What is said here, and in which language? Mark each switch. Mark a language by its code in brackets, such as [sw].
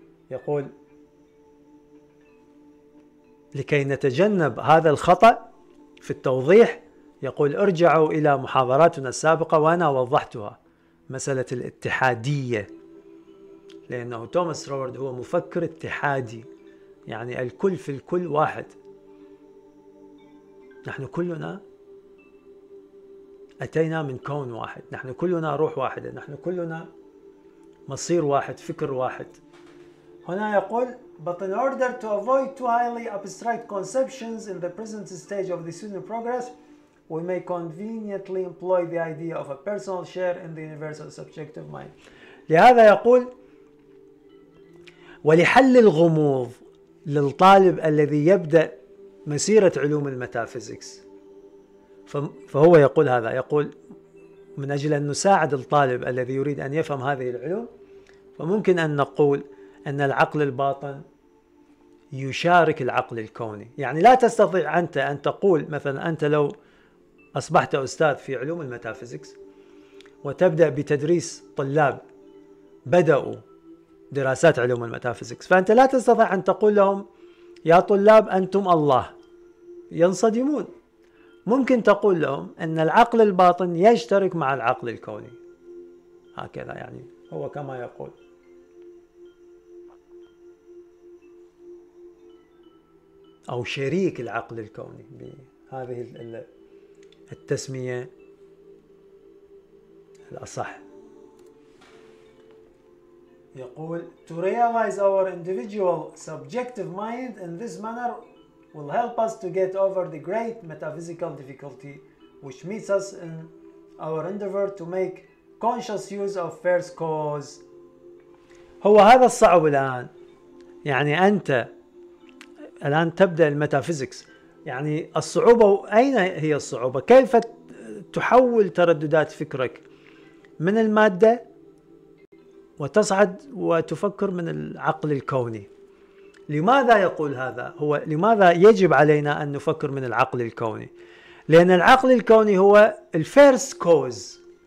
[ar] يقول لكي نتجنب هذا الخطأ في التوضيح يقول ارجعوا إلى محاضراتنا السابقة وأنا وضحتها مسألة الاتحادية لأنه توماس رورد هو مفكر اتحادي يعني الكل في الكل واحد. نحن كلنا أتينا من كون واحد، نحن كلنا روح واحدة، نحن كلنا مصير واحد، فكر واحد. هنا يقول [en] but in order to avoid too highly abstract conceptions in the present stage of the student progress we may conveniently employ the idea of a personal share in the universal subjective mind. [ar] لهذا يقول ولحل الغموض للطالب الذي يبدأ مسيرة علوم الميتافيزيكس فهو يقول هذا يقول من أجل أن نساعد الطالب الذي يريد أن يفهم هذه العلوم فممكن أن نقول أن العقل الباطن يشارك العقل الكوني يعني لا تستطيع أنت أن تقول مثلا أنت لو أصبحت أستاذ في علوم الميتافيزيكس وتبدأ بتدريس طلاب بدأوا دراسات علوم الميتافيزيكس فأنت لا تستطيع أن تقول لهم يا طلاب أنتم الله ينصدمون. ممكن تقول لهم أن العقل الباطن يشترك مع العقل الكوني هكذا يعني هو كما يقول. أو شريك العقل الكوني بهذه التسمية الأصح. يقول [en] to realize our individual subjective mind in this manner will help us to get over the great metaphysical difficulty which meets us in our endeavor to make conscious use of first cause. [ar] هو هذا الصعب الآن يعني أنت الآن تبدأ الميتافيزيكس يعني الصعوبة أين هي الصعوبة؟ كيف تحول ترددات فكرك من المادة وتصعد وتفكر من العقل الكوني؟ لماذا يقول هذا؟ هو لماذا يجب علينا أن نفكر من العقل الكوني؟ لأن العقل الكوني هو الفيرست كوز